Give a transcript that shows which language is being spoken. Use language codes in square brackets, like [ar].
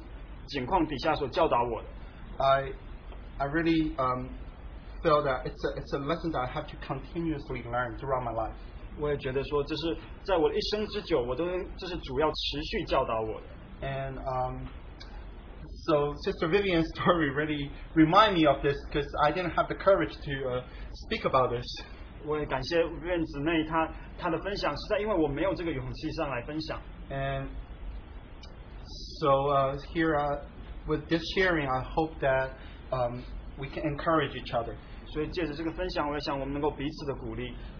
[zh] 所以我回想着主在许多情况底下所教导我的。 [en] I really feel that it's a lesson that I have to continuously learn throughout my life. [zh] 我也觉得说这是在我一生之久，这是主要持续教导我的。 [en] And so Sister Vivian's story really remind me of this because I didn't have the courage to speak about this. [zh] 我也感谢Vivian姊妹她的分享，是在因为我没有这个勇气上来分享。 [en] And so here with this sharing, I hope that we can encourage each other. [zh] 所以借着这个分享，我也想我们能够彼此的鼓励。